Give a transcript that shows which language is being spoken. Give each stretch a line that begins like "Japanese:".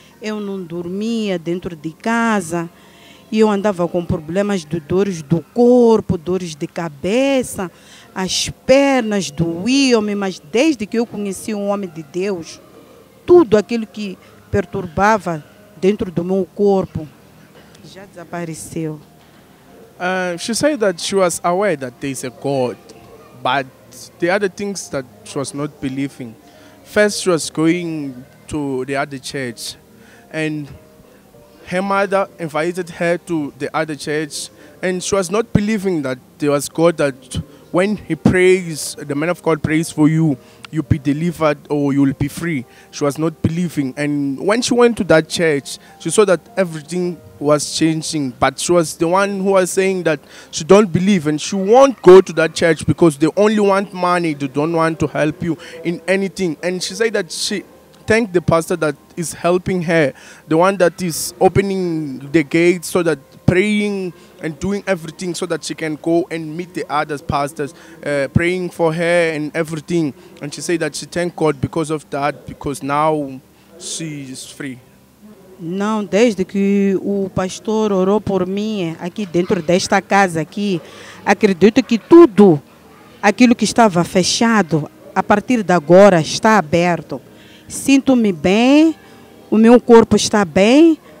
Portuguese: Eu não dormia dentro de casa e eu andava com problemas de dores do corpo, dores de cabeça, as pernas doíam-me, mas desde que eu conheci um homem de Deus, tudo aquilo que perturbava dentro do meu corpo já desapareceu.
English: She said that she was aware that there is a God, but the other things that she was not believing. First, she was going to the other church, and her mother invited her to the other church, and she was not believing that there was God, that when he prays, the man of God prays for you, you'll be delivered or you'll be free. She was not believing. And when she went to that church, she saw that everything was changing. But she was the one who was saying that she don't believe and she won't go to that church because they only want money. They don't want to help you in anything. And she said that she thanked the pastor that is helping her, the one that is opening the gates, so that praying and doing everything so that she can go and meet the other pastors, praying for her and everything. And she said that she thanked God because of that, because now she is free.
Portuguese: Não, desde que o pastor orou por mim aqui dentro desta casa aqui, acredito que tudo aquilo que estava fechado, a partir de agora está aberto. Sinto-me bem, o meu corpo está bem.